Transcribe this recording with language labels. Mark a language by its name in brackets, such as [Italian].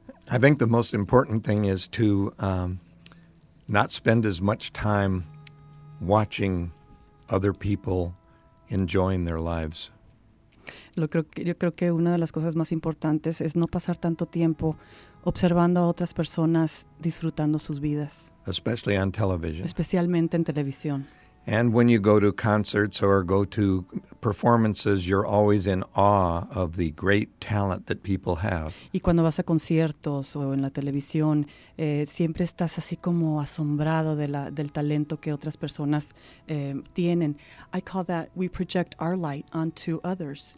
[English] I think the most important thing is to not spend as much time watching other people enjoying their lives. [Spanish] Yo creo que una de las cosas más importantes es no pasar tanto tiempo observando a otras personas disfrutando sus vidas. [English] Especially on television. [Spanish] Especialmente en televisión. [English] And when you go to concerts or go to performances, you're always in awe of the great talent that people have. [Spanish] Y cuando vas a conciertos o en la televisión, siempre estás así como asombrado del talento que otras personas tienen. [English] I call that we project our light onto others.